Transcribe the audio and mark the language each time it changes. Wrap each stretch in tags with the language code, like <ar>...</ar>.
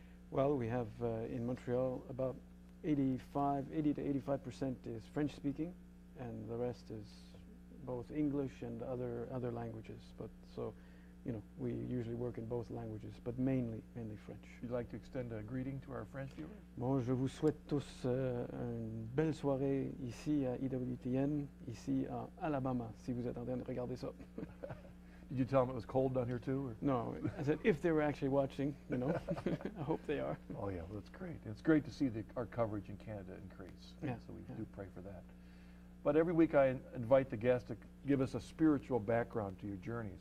<en>Well, we have in Montreal about 80 to 85% is French speaking, and the rest is both English and other languages. But so, you know, we usually work in both languages, but mainly French. You'd like to extend a greeting to our French viewer?</en> <fr>Bon, je vous souhaite tous une belle soirée ici à EWTN, ici à Alabama, si vous êtes en train de regarder ça.</fr> <en>Did you tell them it was cold down here too? Or? No, I said if they were actually watching, you know, I hope they are. Oh yeah, well that's great. It's great to see our coverage in Canada increase. Yeah. So we do pray for that. But every week I invite the guest to give us a spiritual background to your journey.</en>